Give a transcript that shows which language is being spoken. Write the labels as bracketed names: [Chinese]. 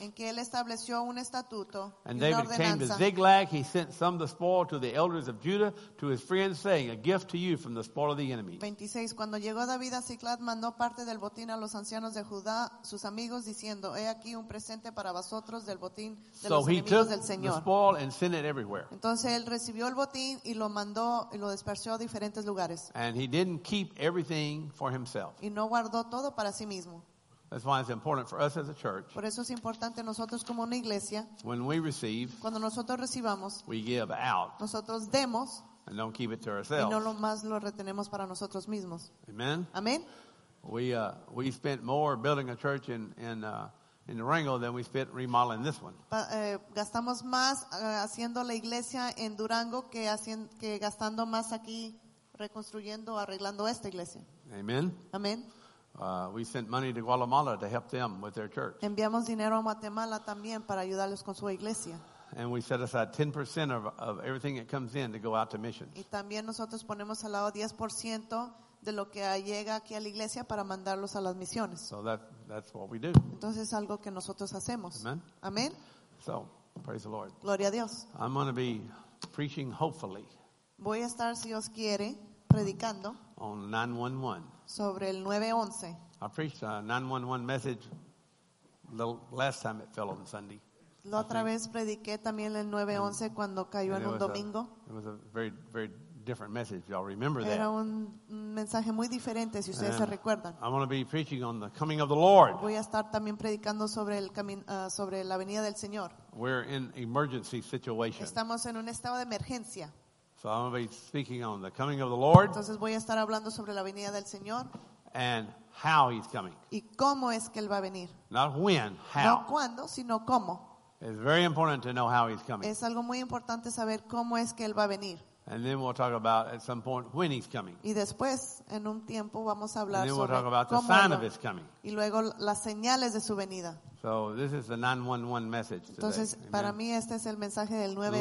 [Spanish] En que él estableció un estatuto y una ordenanza. [English] And David came to Ziklag. He sent some of the spoil to the elders of Judah, to his friends, saying, "A gift to you from the spoil of the enemy." 26. [Spanish] Cuando llegó David a Ziklag, mandó parte del botín a los ancianos de Judá, sus amigos, diciendo, "He aquí un presente para vosotros del botín de los enemigos del Señor." [English] So he took the spoil and sent it everywhere. [Spanish] Entonces él recibió el botín y lo mandó y lo dispersó a diferentes lugares. [English] And he didn't keep everything for himself. [Spanish] Y no guardó todo para sí mismo. [English] That's why it's important for us as a church. [Spanish] Por eso es importante nosotros como una iglesia. [English] When we receive, [Spanish] cuando nosotros recibamos, [English] we give out. [Spanish] Nosotros demos, [English] and don't keep it to ourselves. [Spanish] Y no lo más lo retenemos para nosotros mismos. [English] Amen. [Spanish] Amen. [English] We spent more building a church in Durango than we spent remodeling this one. [Spanish] Gastamos más haciendo la iglesia en Durango que gastando más aquí reconstruyendo, arreglando esta iglesia. [English] Amen. [Spanish] Amen. [English] We sent money to Guatemala to help them with their church. [Spanish] Enviamos dinero a Guatemala también para ayudarles con su iglesia. [English] And we set aside 10% of everything that comes in to go out to missions. [Spanish] Y también nosotros ponemos al lado 10% de lo que llega aquí a la iglesia para mandarlos a las misiones. [English] So that's what we do. [Spanish] Entonces es algo que nosotros hacemos. [English] Amen. [Spanish] Amen. [English] So praise the Lord. [Spanish] Gloria a Dios. [English] I'm going to be preaching hopefully. [Spanish] Voy a estar si Dios quiere predicando. [English] On 911. [Spanish] Sobre el 911. [English] I preached a 911 message the last time it fell on Sunday. [Spanish] La otra vez prediqué también el 911 cuando cayó en un domingo. [English] It was a very, very different message. Y'all remember that. [Spanish] Era un mensaje muy diferente, si ustedes se recuerdan. [English] I'm going to be preaching on the coming of the Lord. [Spanish] Voy a estar también predicando sobre el sobre la venida del Señor. [English] We're in emergency situation. [Spanish] Estamos en un estado de emergencia. [English] So I'm going to be speaking on the coming of the Lord. [Spanish] Entonces voy a estar hablando sobre la venida del Señor. [English] And how he's coming. [Spanish] Y cómo es que él va a venir. [English] Not when, how. [Spanish] No cuándo, sino cómo. [English] It's very important to know how he's coming. [Spanish] Es algo muy importante saber cómo es que él va a venir. [English] And then we'll talk about at some point when he's coming. [Spanish] Y después, en un tiempo, vamos a hablar [English] and then we'll [Spanish] sobre [English] talk about the sign of his coming. [Spanish] Y luego las señales de su venida. [English] So this is the 911 message today. [Spanish] Entonces, para mí este es el mensaje del 911.